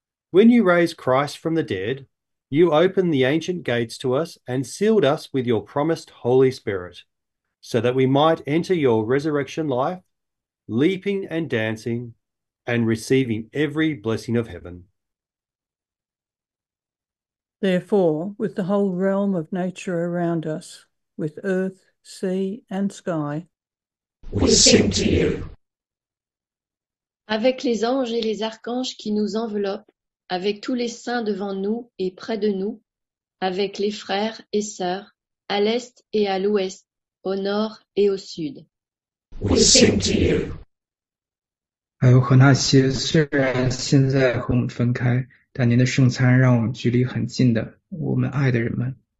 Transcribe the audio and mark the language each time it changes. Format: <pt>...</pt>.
<en>When you raised Christ from the dead, you opened the ancient gates to us and sealed us with your promised Holy Spirit, so that we might enter your resurrection life, leaping and dancing, and receiving every blessing of heaven. Therefore, with the whole realm of nature around us, with earth, sea, and sky, we sing to you.</en> <fr>Avec les anges et les archanges qui nous enveloppent, avec tous les saints devant nous et près de nous, avec les frères et sœurs, à l'est et à l'ouest, au nord et au sud.</fr> <en>We sing to you.</en> <zh>还有和那些虽然现在和我们分开，但您的圣餐让我们距离很近的，我们爱的人们。</zh>